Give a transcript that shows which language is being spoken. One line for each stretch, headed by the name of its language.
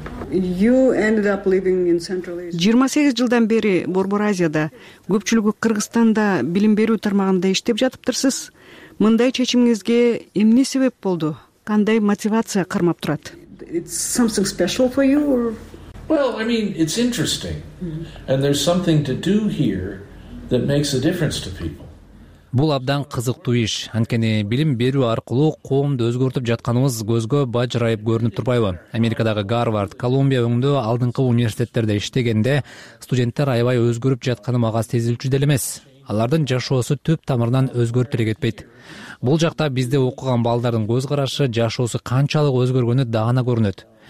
English: You ended up living in Central Asia.
Kyrgyz: 28 жылдан бери Борбор Азияда, көпчүлүгү Кыргызстанда билим берүү тармагында иштеп жатыптырсыз. Мындай чечимиңизге эмне себеп болду? Кандай мотивация кармап турат?
English: It's something special for you or? Well, I mean, it's interesting. And there's something to do here that makes a difference to people.
Kyrgyz: Бул абдан кызыктуу иш. Анткени билим берүү аркылуу коомду өзгөртүп жатканыбыз көзгө бажырайып көрүнүп турбайбы? Америкадагы Гарвард, Колумбия өңдөө алдыңкы университеттерде иштегенде студенттер аябай өзгөрүп жатканы мага сезилчү деле эмес. Алардын жашоосу түп тамырынан өзгөртүп эле кетпейт. Бул жакта бизде окуган балдардын көз карашы, жашоосу канчалык өзгөргөнү даана көрүнөт.